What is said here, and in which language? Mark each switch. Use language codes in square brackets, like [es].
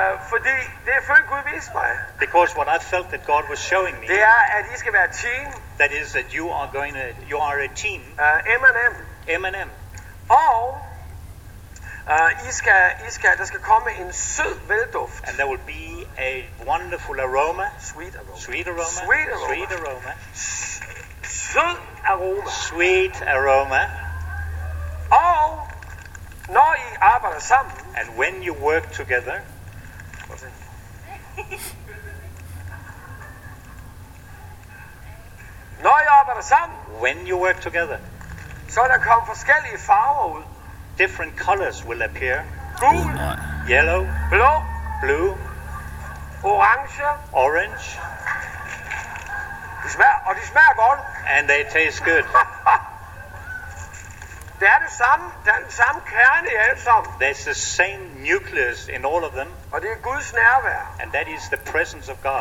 [da] Fordi det er før Gud viste mig. [en] Because what I felt that God was showing me. [da] Det er, at I skal være team. [en] That is, that you are going to, you are a team. M&M. [da] Og I skal, der skal komme en sød velduft. [en] And there will be a wonderful aroma. Sweet aroma. Sweet aroma. Sweet aroma. Sweet aroma. [da] Sød aroma. [en] Sweet aroma. [da] Og når I arbejder sammen. [en] And when you work together. [da] Når I arbejder sammen. [en] When you work together. [da] Så der kommer forskellige farver ud. [en] Different colors will appear. [da] Gul, [en] yellow, [da] blå, [en] blue, [da] orange, [en] orange. [da] De smager, og de smager godt. [en] And they taste good. [da] Det er det samme, det er den samme kerne i alle sammen. [en] There's the same nucleus in all of them. [da] Og det er Guds nærvær. [en] And that is the presence of God.